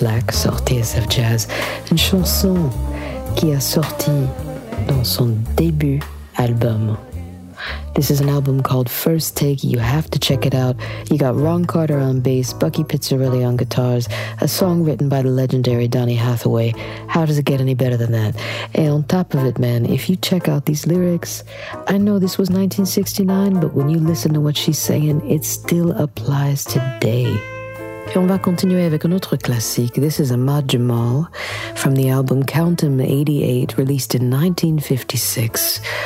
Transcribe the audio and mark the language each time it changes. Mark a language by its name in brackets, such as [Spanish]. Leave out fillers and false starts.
[French] Sur TSF Jazz, une chanson qui a sorti dans son début album. [English] This is an album called First Take. You have to check it out. You got Ron Carter on bass, Bucky Pizzarelli on guitars, a song written by the legendary Donny Hathaway. How does it get any better than that? And on top of it, man, if you check out these lyrics, I know this was 1969, but when you listen to what she's saying, it still applies today. [French] Et on va continuer avec un autre classique. [English] This is Ahmad Jamal from the album Count 'Em 88, released in 1956.